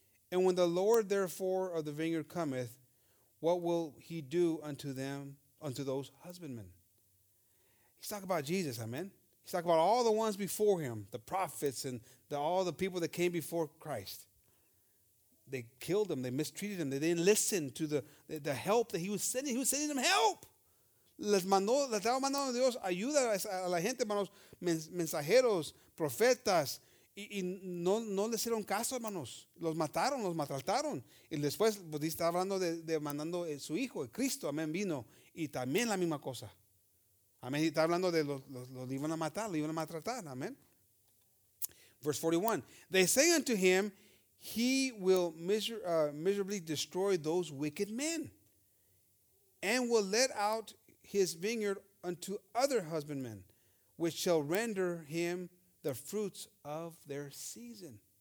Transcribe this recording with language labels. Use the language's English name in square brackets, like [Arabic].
[English] And when the Lord therefore of the vineyard cometh, what will he do unto them, unto those husbandmen? He's talking about Jesus, amen. He's talking about all the ones before him, the prophets and all the people that came before Christ. They killed him. They mistreated him. They didn't listen to the help that he was sending. He was sending them help. [Spanish] Les mandó, les estaba mandando Dios ayuda a la gente, hermanos, mensajeros, profetas. Y no les hicieron caso, hermanos. Los mataron, los maltrataron. Y después, pues, está hablando de mandando su hijo, Cristo, amén, vino. Y también la misma cosa. Amén. Está hablando de los iban a matar, los iban a maltratar, amén. [English] Verse 41. They say unto him, he will miserably destroy those wicked men and will let out his vineyard unto other husbandmen, which shall render him the fruits of their season.